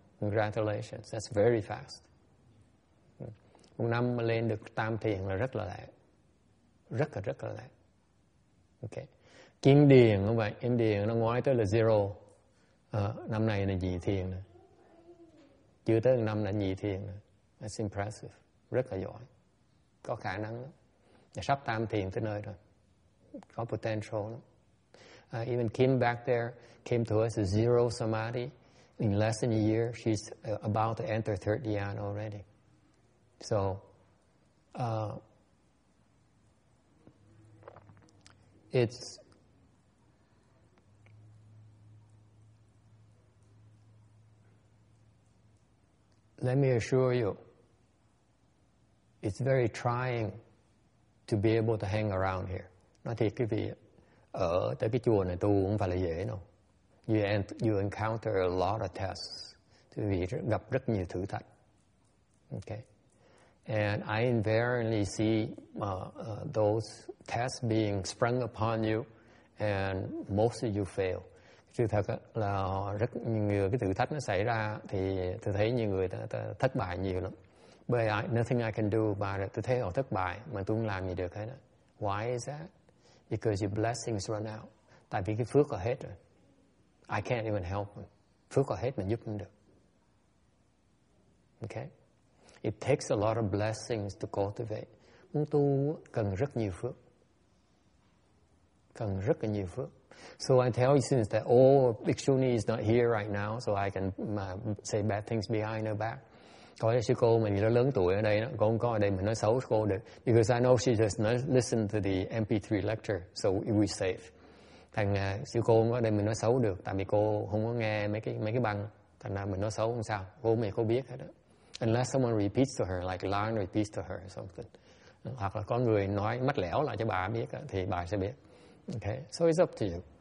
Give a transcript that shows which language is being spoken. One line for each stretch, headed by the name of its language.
English: Congratulations, that's very fast.
Vietnamese: Một năm mà lên được tam thiền là rất là lẹ. Rất là lẹ. Okay. Kim điền không vậy? Kim điền nó ngoái tới là zero. Năm này là nhị thiền nè. Chưa tới năm là nhị thiền nè.
English: That's impressive.
Vietnamese: Rất là giỏi. Có khả năng lắm. Sắp tam thiền tới nơi rồi. Có potential lắm.
English: Even Kim back there came to us zero samadhi. In less than a year, she's about to enter third dhyana already. So, let me assure you, it's very trying to be able to hang around here.
Vietnamese: Nói thiệt quý vị, ở tới cái chùa này tu không phải là dễ đâu.
English: You encounter a lot of tests.
Vietnamese: Quý vị gặp rất nhiều thử thách.
English: Okay. And I invariably see those tests being sprung upon you, and most of you fail.
Vietnamese: Sự thật là rất nhiều cái thử thách nó xảy ra thì tôi thấy nhiều người thất bại nhiều lắm.
English: But nothing I can do about it.
Vietnamese: Tôi thấy họ thất bại mà tôi không làm gì được hết.
English: Why is that? Because your blessings run out.
Vietnamese: Tại vì cái phước họ hết rồi.
English: I can't even help them.
Vietnamese: Phước họ hết mình giúp không được.
English: Okay? It takes a lot of blessings to cultivate.
Vietnamese: Muốn tu cần rất nhiều phước. Cần rất là nhiều phước.
English: So I tell you since that all Bikshuni is not here right now, so I can say bad things behind her back.
Vietnamese: Có lẽ sư cô mình nó lớn tuổi ở đây đó, cô không có ở đây mà nói xấu cô được.
English: Because I know she just not listen to the MP3 lecture, so we safe.
Vietnamese: Thằng sư cô không có ở đây mình nói xấu được, tại vì cô không có nghe mấy cái băng. Thành ra mình nói xấu không sao, cô mày cô biết hết đó.
English: Unless someone repeats to her, like Lan repeats to her or something.
Vietnamese: Hoặc là có người nói mách lẻo lại cho bà biết đó, thì bà sẽ biết.
English: Okay, so it's up to you.